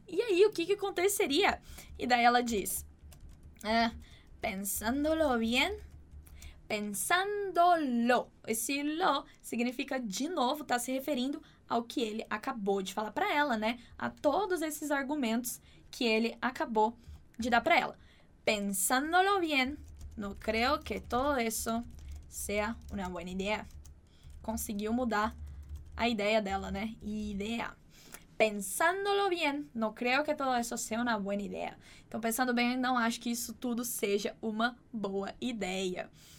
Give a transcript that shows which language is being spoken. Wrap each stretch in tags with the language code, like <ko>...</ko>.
<pt>E aí, o que que aconteceria? E daí ela diz... Pensándolo bien...</pt> <es>pensándolo.</es> <pt>Esse lo significa de novo, tá se referindo ao que ele acabou de falar para ela, né? A todos esses argumentos que ele acabou de dar para ela.</pt> <es>Pensándolo bien, no creo que todo eso sea una buena idea.</es> <pt>Conseguiu mudar a ideia dela, né? Ideia.</pt> <es>Pensándolo bien, no creo que todo eso sea una buena idea.</es> <pt>Então, pensando bem, não acho que isso tudo seja uma boa ideia.</pt>